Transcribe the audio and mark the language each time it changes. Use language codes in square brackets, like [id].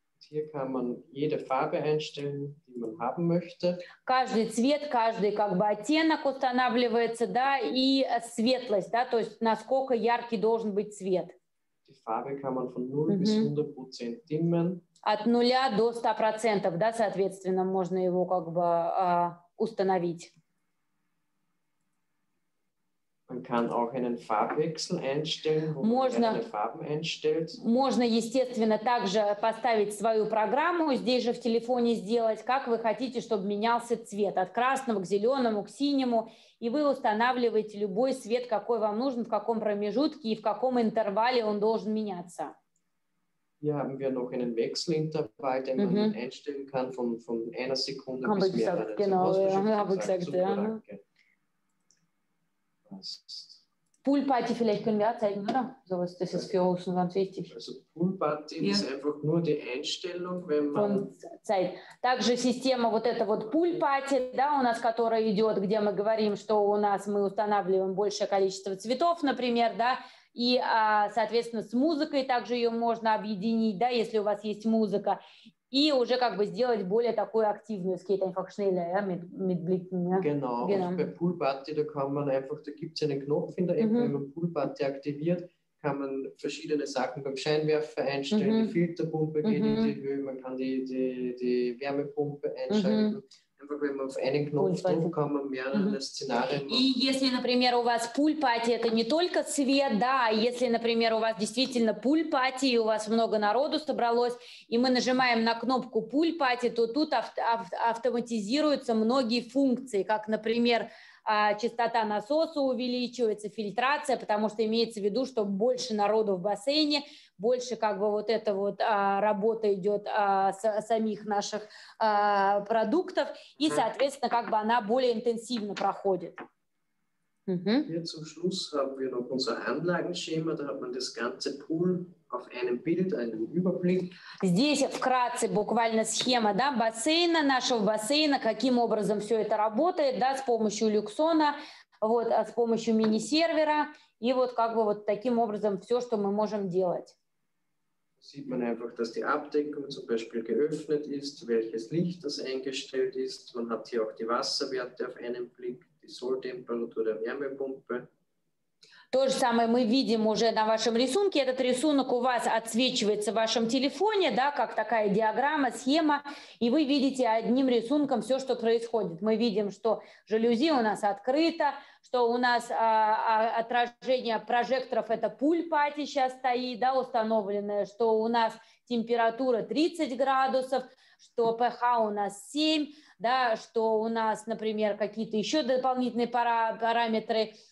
[de] Hier kann man jede Farbe einstellen, die man haben möchte. [ru] Каждый цвет, каждый как бы оттенок устанавливается, да, и светлость, да, то есть насколько яркий должен быть цвет. [de] Die Farbe kann man von 0 mm-hmm. bis 100% dimmen. [ru] От 0 до 100%, да, соответственно, можно его как бы установить. [de] Man kann auch einen Farbwechsel einstellen, wo можно, man Farben einstellt. [ru] Можно, естественно, также поставить свою программу, здесь же в телефоне сделать, как вы хотите, чтобы менялся цвет, от красного к зеленому, к синему. И вы устанавливаете любой свет, какой вам нужен, в каком промежутке и в каком интервале он должен меняться. [de] Hier haben wir noch einen Wechselintervall, den mm-hmm. man einstellen kann von einer Sekunde haben bis mehrere. Gesagt, genau, so, ja, habe ich gesagt, ja. Poolparty vielleicht können wir auch zeigen, oder? So was, das ist für uns ganz wichtig. Also Poolparty ja. ist einfach nur die Einstellung, wenn man... Von Zeit. [ru] Также система вот эта вот Poolparty, да, у нас которая идет, где мы говорим, что у нас мы устанавливаем большее количество цветов, например, да, и, соответственно, с музыкой также ее можно объединить, да, если у вас есть музыка, и уже как бы сделать более такую активную [de] Skate einfach schneller, ja, mit Blicken, ja. Genau, genau. Und bei Poolparty, da kann man einfach, da gibt es einen Knopf in der App, mm-hmm. wenn man Poolparty aktiviert, kann man verschiedene Sachen beim Scheinwerfer einstellen, mm-hmm. die Filterpumpe geht mm-hmm. in die Höhe, man kann die Wärmepumpe einschalten. Mm-hmm. [ru] И если, например, у вас пульпати, это не только свет, да, если, например, у вас действительно пульпати, и у вас много народу собралось, и мы нажимаем на кнопку пульпати, то тут автоматизируются многие функции, как, например, частота насоса увеличивается, фильтрация, потому что имеется в виду, что больше народу в бассейне, больше как бы вот эта вот работа идет с самих наших продуктов, и, соответственно, как бы она более интенсивно проходит. [de] Hier zum Schluss haben wir noch unser Anlagenschema, da hat man das ganze Pool auf einem Bild, einen Überblick. [ru] Здесь вкратце буквально схема, да, бассейна, нашего бассейна, каким образом все это работает, да, с помощью Люксона, вот, с помощью мини-сервера, и вот как бы вот таким образом все, что мы можем делать. [de] sieht man einfach, dass die Abdeckung zum Beispiel geöffnet ist, welches Licht das eingestellt ist. Man hat hier auch die Wasserwerte auf einen Blick, die Soltemperatur der Wärmepumpe. [ru] То же самое мы видим уже на вашем рисунке. Этот рисунок у вас отсвечивается в вашем телефоне, да, как такая диаграмма, схема. И вы видите одним рисунком все, что происходит. Мы видим, что жалюзи у нас открыто, что у нас отражение прожекторов, это пуль-пати сейчас стоит, да, установленное, что у нас температура 30 градусов, что pH у нас 7, да, что у нас, например, какие-то еще дополнительные параметры.